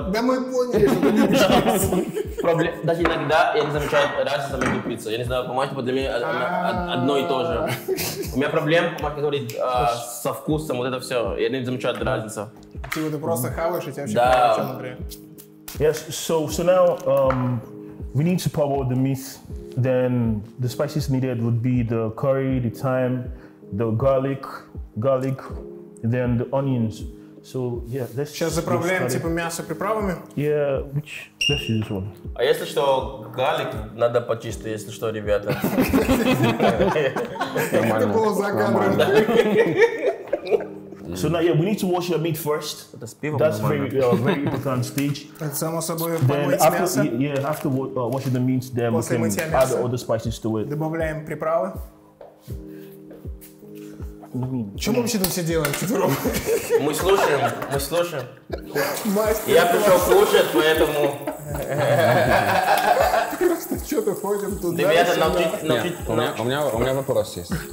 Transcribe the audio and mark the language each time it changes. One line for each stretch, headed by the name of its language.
Russian: Да мы поняли, что ты любишь пиццу. Даже иногда я не замечаю разницу за мою пиццу. Я не знаю, по-моему, типа для меня одно и то же. У меня проблема, как говорит, со вкусом, вот это все. Я не замечаю разницу. Типа ты просто хаваешь, и тебе вообще нравится, например.
English: Yes, so now we need to power the meat. Then the spices needed would be the curry, the thyme, the garlic, then the onions. So yeah, let's.
Russian: Сейчас заправляем типа мясо приправами.
English: Yeah, which let's use this one.
Russian: А если что, галик надо почисто, если что, ребята. Это было за кадром.
English: So now yeah, we need to wash your meat first. That's very important stage.
Russian: Это само собой помыть мясо.
English: Yeah, after washing the meat, then we can add all the spices to it.
Russian: Добавляем приправы. Чем вообще тут все делаем, четвером? Мы слушаем. Мастер, я пришел кушать, поэтому... Просто что-то ходим туда. Ты меня научить... Нет, у меня вопрос есть.